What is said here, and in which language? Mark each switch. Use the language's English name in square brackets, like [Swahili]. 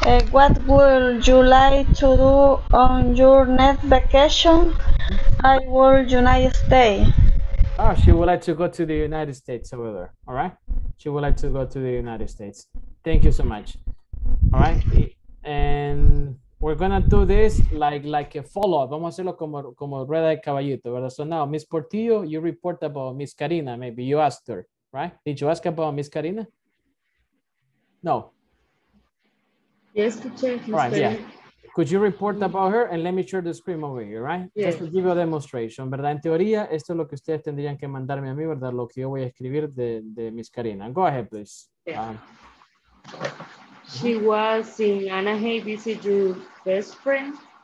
[English] What would you like to do on your next vacation? I would United States. Oh, she would like to go to the United States over there. All right. She would like to go to the United States. Thank you so much. All right. And we're going to do this like a follow up. [Spanish] Vamos a hacerlo como rueda de caballito, ¿verdad? [English] So now, Miss Portillo, you report about Miss Karina. Maybe you asked her, right? Did you ask about Miss Karina? No. Yes, teacher. Right. Yeah. Could you report about her? And let me share the screen over here, right? Yes. Just to give you a demonstration, ¿verdad? [Spanish] En teoría, esto es lo que ustedes tendrían que mandarme a mí, ¿verdad? Lo que yo voy a escribir de Miss Karina. [English] Go ahead, please. Yeah. She was in Anaheim, visit your best friend.